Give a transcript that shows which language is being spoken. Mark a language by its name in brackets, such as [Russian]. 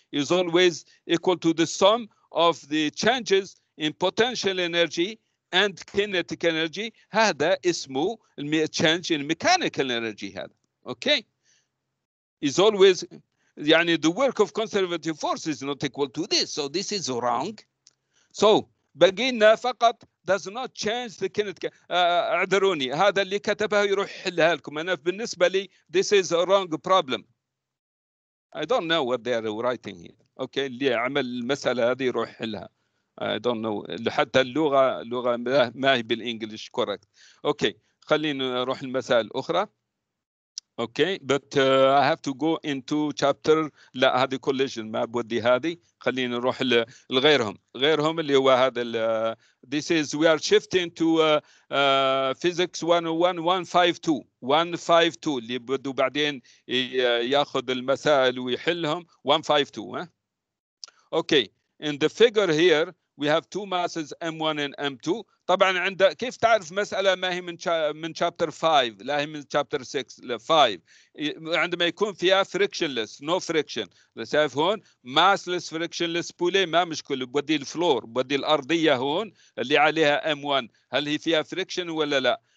[English] Is always equal to the sum of the changes in potential energy and kinetic energy. [Arabic] هذا اسمه [English] change in mechanical energy [Arabic] هذا. Okay. [English] Is always يعني the work of conservative force is not equal to this, so this is wrong. So [Arabic] بقينا فقط [English] does not change the kinetic. [Arabic] اعذروني هذا اللي كتبه يروح يحلها لكم. أنا بالنسبة لي [English] this is a wrong problem. I don't know what they are writing here. [Arabic] Okay, اللي عمل المسألة هذه يروح يحلها. [English] I don't know. [Arabic] حتى اللغة ما هي بالإنجليش correct. Okay, خلينا نروح المسألة أخرى. [English] Okay, but I have to go into chapter. [Arabic] لا هذه collision ما بودي هذه. خلينا نروح لغيرهم. غيرهم اللي هو هذا. [English] This is we are shifting to physics 151, 152 [Arabic] اللي بدو بعدين ياخذ المسائل ويحلهم 152. [English] Okay, in the figure here we have two masses M1 and M2. [Arabic] طبعا عند كيف تعرف مسألة ما هي من chapter 5 لا هي من chapter 6 ل 5 عندما يكون فيها frictionless [English] no friction. [Arabic] شايف هون massless frictionless بولي ما مشكلة بودي الفلور بودي الأرضية هون اللي عليها M1 هل هي فيها friction ولا لا.